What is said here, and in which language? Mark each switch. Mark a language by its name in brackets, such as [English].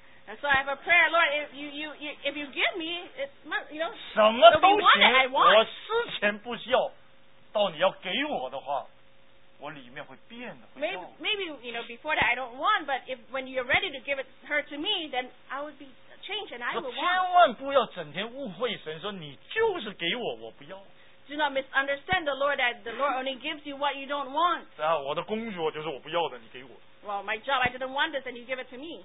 [English] And so I have a prayer, Lord, if you give me, it's, you know, [Chinese] 什么都行, [English] the one that I want. [Chinese] 我事前不需要，到你要给我的话。我里面会变的, [English] maybe you know before that I don't want, but if when you're ready to give it her to me, then I would be changed and I would want. [Chinese] 千万不要整天误会神说你就是给我，我不要。 [English] Do not misunderstand the Lord that the Lord only gives you what you don't want. [Chinese] 啊，我的工作就是我不要的，你给我。 [English] Well, my job, I didn't want this, and you give it to me.